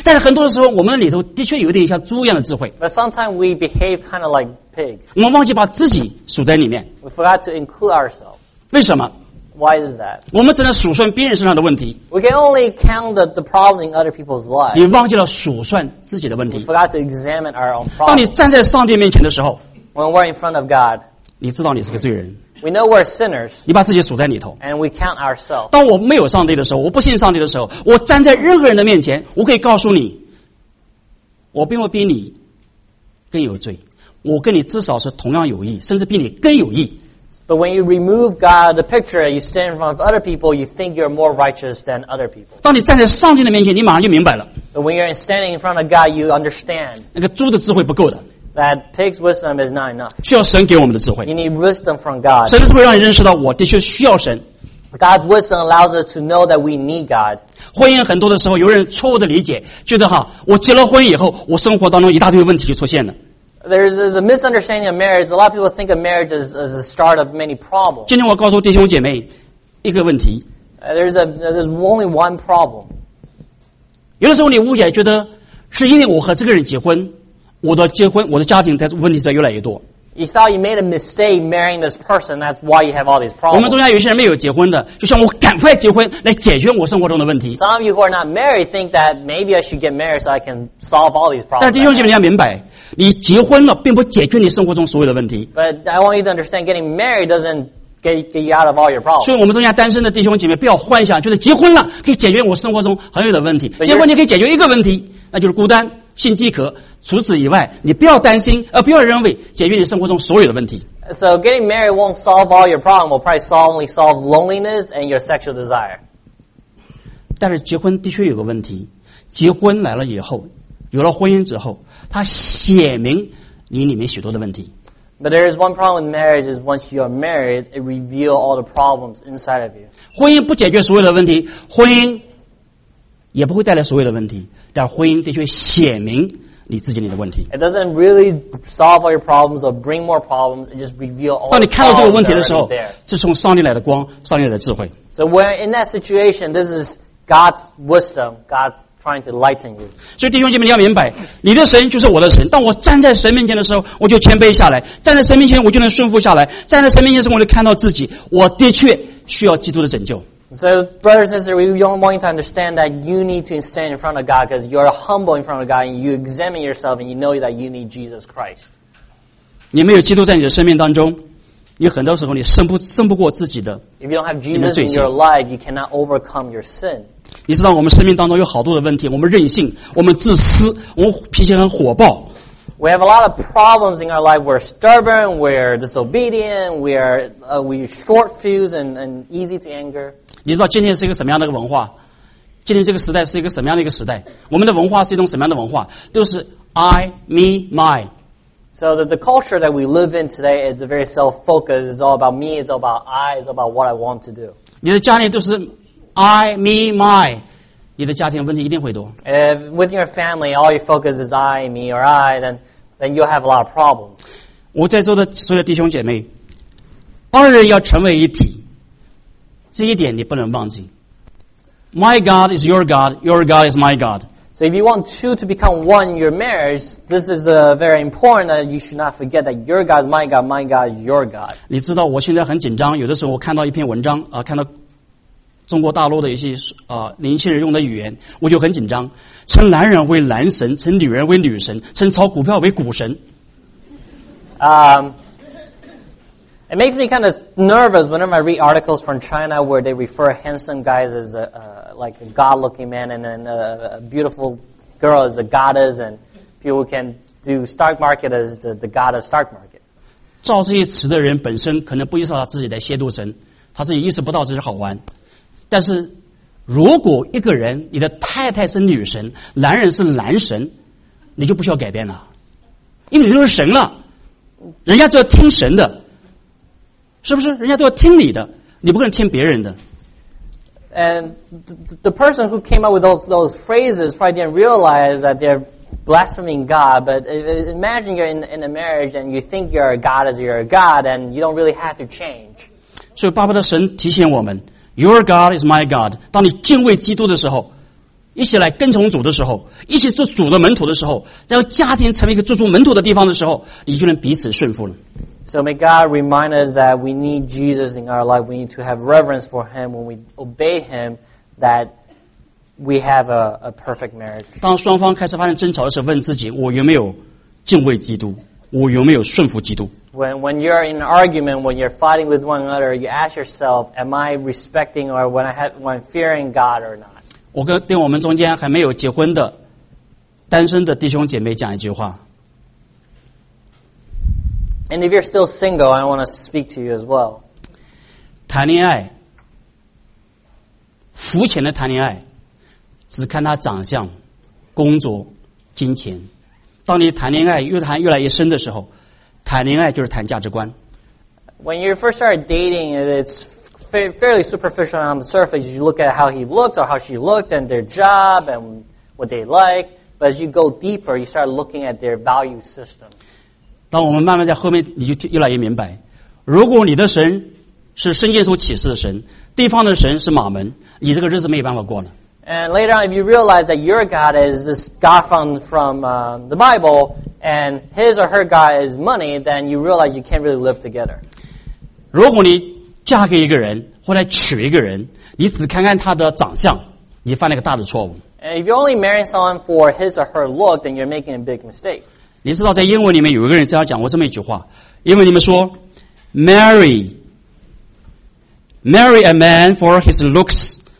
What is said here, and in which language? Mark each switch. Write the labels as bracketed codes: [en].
[zh] 但是很多的时候，我们里头的确有点像猪一样的智慧。 [en] But sometimes we behave kind of like pigs. [zh] 我们忘记把自己数在里面。 [en] We forgot to include ourselves. [zh] 为什么？ [en] Why is that? [zh] 我们只能数算别人身上的问题。 [en] We can only count the problem in other people's lives. [zh] 你忘记了数算自己的问题。 [en] We forgot to examine our own problems. [zh] 当你站在上帝面前的时候， [en] When we're in front of God, [zh] 你知道你是个罪人。 [en] We know we're sinners. [zh] 你把自己数在里头。 [en] And we count ourselves. [zh] 当我没有上帝的时候，我不信上帝的时候，我站在任何人的面前，我可以告诉你，我并不比你更有罪，我跟你至少是同样有义，甚至比你更有义。 [en] But when you remove God of the picture, you stand in front of other people, you think you're more righteous than other people. [zh] 当你站在上帝的面前，你马上就明白了。 [en] But when you're standing in front of God, you understand. [zh] 那个猪的智慧不够的。 [en] That pig's wisdom is not enough. [zh] 需要神给我们的智慧。 [en] You need wisdom from God. [zh] 神的智慧让你认识到我的确需要神。 [en] God's wisdom allows us to know that we need God. [zh] 婚姻很多的时候，有人错误的理解，觉得哈，我结了婚以后，我生活当中一大堆问题就出现了。 [en] There's a misunderstanding of marriage. A lot of people think of marriage as a start of many problems. [zh] 今天我告诉弟兄姐妹一个问题。 [en] There's only one problem. [zh] 有的时候你误解，觉得是因为我和这个人结婚，我的家庭的问题在越来越多。 [en] You thought you made a mistake marrying this person. That's why you have all these problems. [zh] 我们中间有些人没有结婚的，就像我赶快结婚来解决我生活中的问题。 [en] Some of you who are not married think that maybe I should get married so I can solve all these problems. [zh] 但弟兄姐妹要明白。你结婚了并不解决你生活中所有的问题。 [en] But I want you to understand getting married doesn't get you out of all your problems. [zh] 所以我们中间单身的弟兄姐妹不要幻想，就是结婚了可以解决我生活中很有的问题。结婚你可以解决一个问题，那就是孤单、性饥渴。除此以外，你不要担心，不要认为解决你生活中所有的问题。 [en] So getting married won't solve all your problems. Will probably only solve loneliness and your sexual desire. [zh] 但是结婚的确有个问题，结婚来了以后，有了婚姻之后，它显明你里面许多的问题。 [en] But there is one problem with marriage is once you are married, it reveals all the problems inside of you. [zh] 婚姻不解决所有的问题，婚姻也不会带来所有的问题，但婚姻的确显明你自己你的问题。 [en] It doesn't really solve all your problems or bring more problems. It just reveals all. [zh] 当你看到这个问题的时候，是从上帝来的光，上帝来的智慧。 [en] So when in that situation, this is God's wisdom. God's trying to lighten you. [zh] 所以弟兄姐妹，你要明白，你的神就是我的神。当我站在神面前的时候，我就谦卑下来；站在神面前，我就能顺服下来；站在神面前时，我就看到自己，我的确需要基督的拯救。 [en] So, brothers and sisters, we don't want you to understand that you need to stand in front of God because you're humble in front of God and you examine yourself and you know that you need Jesus Christ. [zh] 你没有基督在你的生命当中，你很多时候你胜不过自己的。 [en] If you don't have Jesus in your life, you cannot overcome your sin. [zh] 你知道我们生命当中有好多的问题，我们任性，我们自私，我们脾气很火爆。 [en] We have a lot of problems in our life. We're stubborn, we're disobedient, we short fuse and easy to anger. [zh] 你知道今天是一个什么样的一个文化？今天这个时代是一个什么样的一个时代？我们的文化是一种什么样的文化？都是 [en] I, me, my. So the culture that we live in today is very self-focused. It's all about me, it's all about I, it's all about what I want to do. [zh] 你的家里都是 [en] I, me, my. [zh] 你的家庭问题一定会多。 [en] If within your family, all your focus is I, me, or I, then you'll have a lot of problems. [zh] 我在座的所有弟兄姐妹，二人要成为一体，这一点你不能忘记。 [en] My God is your God, your God is my God. So if you want two to become one in your marriage, this is very important that you should not forget that your God is my God, my God is your God. [zh] 你知道我现在很紧张，有的时候我看到一篇文章啊，看到。中国大陆的一些年轻人用的语言，我就很紧张。称男人为男神，称女人为女神，称炒股票为股神。 [en] It makes me kind of nervous whenever I read articles from China where they refer handsome guys as like a god-looking man and then a beautiful girl as a goddess and people can do stock market as the god of stock market. [zh] 造这些词的人本身可能不意识到他自己在亵渎神，他自己意识不到这是好玩。但是如果一个人你的太太是女神男人是男神你就不需要改变了因为你都是神了人家就要听神的是不是人家都要听你的你不可能听别人的 [en] And the person who came up with those phrases probably didn't realize that they're blaspheming God but imagine you're in a marriage and you think you're a God as you're a God and you don't really have to change [zh] 所以巴不得神提醒我们 [en] Your God is my God. [zh] 当你敬畏基督的时候，一起来跟从主的时候，一起做主的门徒的时候，然后家庭成为一个做主门徒的地方的时候，你就能彼此顺服了。 [en] So may God remind us that we need Jesus in our life. We need to have reverence for Him when we obey Him. That we have a perfect marriage. [zh] 当双方开始发生争吵的时候，问自己：我有没有敬畏基督？我有没有顺服基督？ [en] When you're in an argument, when you're fighting with one another, you ask yourself, am I respecting or when I'm fearing God or not? [zh] 我跟我们中间还没有结婚的单身的弟兄姐妹讲一句话。 [en] And if you're still single, I want to speak to you as well. [zh] 谈恋爱，肤浅的谈恋爱，只看他长相、工作、金钱。当你谈恋爱越谈越来越深的时候。谈恋爱就是谈价值观。 [en] When you first start dating, it's fairly superficial on the surface. You look at how he looks or how she looked and their job and what they like. But as you go deeper, you start looking at their value system. [zh] 当我们慢慢在后面，你就越来越明白。如果你的神是圣经所启示的神，对方的神是马门，你这个日子没有办法过了。 [en] And later on, if you realize that your God is this God from the Bible, and his or her God is money, then you realize you can't really live together. [zh] 如果你嫁给一个人，或者娶一个人，你只看看他的长相，你犯了个大的错误。 [en] And if you're only marrying someone for his or her look, then you're making a big mistake. [zh] 你知道在英文里面有一个人这样讲过这么一句话，英文里面说 ， [en] marry a man for his looks.